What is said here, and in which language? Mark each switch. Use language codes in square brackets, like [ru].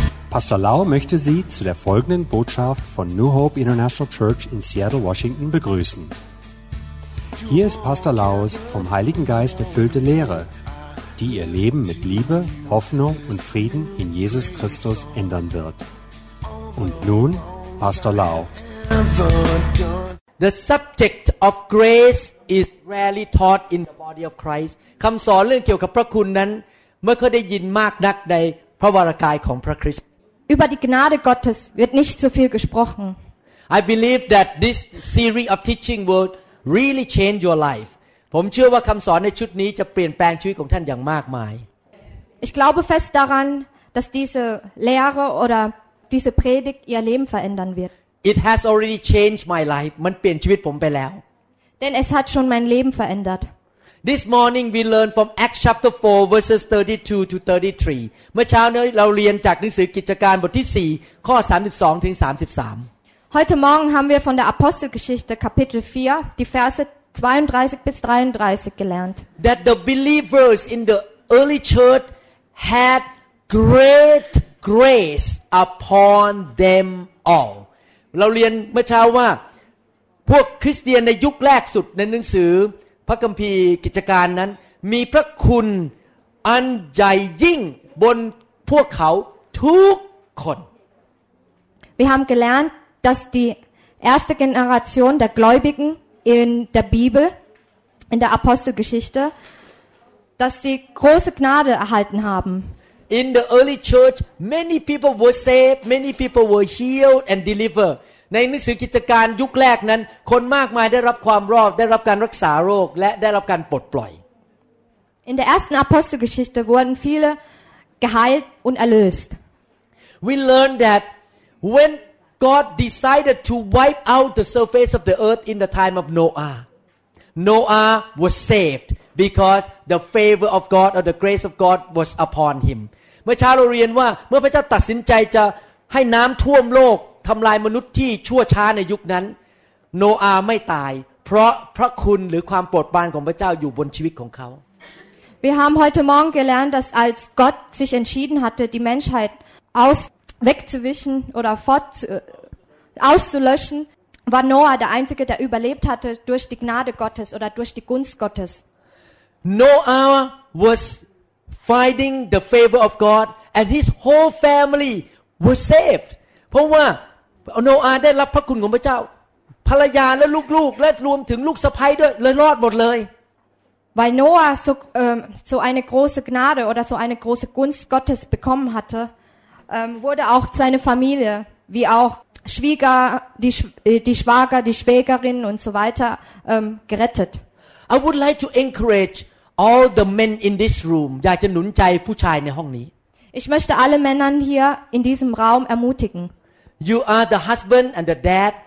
[de] Pastor Lau möchte Sie zu der folgenden Botschaft von New Hope International Church in Seattle, Washington begrüßen. Hier ist Pastor Laus vom Heiligen Geist erfüllte Lehre, die Ihr Leben mit Liebe, Hoffnung und Frieden in Jesus Christus ändern wird. Und nun Pastor Lau. [en] The subject of grace is rarely taught in the body of Christ. [th] คำสอนเรื่องเกี่ยวกับพระคุณนั้นไม่ค่อยได้ยินมากนักในพระวรกายของพระคริสต์ [de] Über die Gnade Gottes wird nicht so viel gesprochen. [en] I believe that this series of teaching will really change your life. [th] ผมเชื่อว่าคำสอนในชุดนี้จะเปลี่ยนแปลงชีวิตของท่านอย่างมากมาย [de] Ich glaube fest daran, dass diese Lehre oder diese Predigt ihr Leben verändern wird. [en] It has already changed my life. [th] มันเปลี่ยนชีวิตผมไปแล้ว [de] Denn es hat schon mein Leben verändert. [en] This morning we learn from Acts chapter 4 verses 32 to 33. [th] เมื่อเช้านี้เราเรียนจากหนังสือกิจการบทที่4ข้อ32ถึง33. [de] Heute morgen haben wir von der Apostelgeschichte Kapitel 4 die Verse 32 bis 33 gelernt. [en] That the believers in the early church had great grace upon them all. [th] เราเรียนเมื่อเช้าว่าพวกคริสเตียนในยุคแรกสุดในหนังสือพระคัมภีร์กิจการนั้นมีพระคุณอันใหญ่ยิ่งบนพวกเขาทุกคน [de] Wir haben gelernt, dass die erste Generation der Gläubigen in der Bibel in der Apostelgeschichte dass sie große Gnade erhalten haben. [en] In the early church, many people were saved, many people were healed and delivered. [th] ในหนังสือกิจการยุคแรกนั้นคนมากมายได้รับความรอดได้รับการรักษาโรคและได้รับการปลดปล่อย [de] In der ersten Apostelgeschichte wurden viele geheilt und erlöst. [en] We learn that when God decided to wipe out the surface of the earth in the time of Noah, Noah was saved because the favor of God or the grace of God was upon him. [th] เมื่อเช้าเราเรียนว่าเมื่อพระเจ้าตัดสินใจจะให้น้ำท่วมโลกทำลายมนุษย์ที่ชั่วช้าในยุคนั้นโนอาห์ไม่ตายเพราะพระคุณหรือความโปรดปรานของพระเจ้าอยู่บนชีวิตของเขา [de] Wir haben heute morgen gelernt, dass als Gott sich entschieden hatte, die Menschheit aus wegzuwischen oder auszulöschen, war Noah der einzige, der überlebt hatte durch die Gnade Gottes oder durch die Gunst Gottes. [en] Noah was finding the favor of God and his whole family was saved. [th] เพราะว่าโนอาห์ได้รับพระคุณของพระเจ้าภรรยาและลูกๆและรวมถึงลูกสะใภ้ด้วยเลยรอดหมดเลย [de] Weil Noah so so eine große Gnade oder so eine große Gunst Gottes bekommen hatte wurde auch seine Familie wie auch Schwieger die Schwager die Schwägerin und so weiter gerettet [en] I would like to encourage all the men in this room [th] อยากจะหนุนใจผู้ชายในห้องนี้ [de] Ich möchte alle Männer hier in diesem Raum ermutigen. [en] You are the husband and the dad.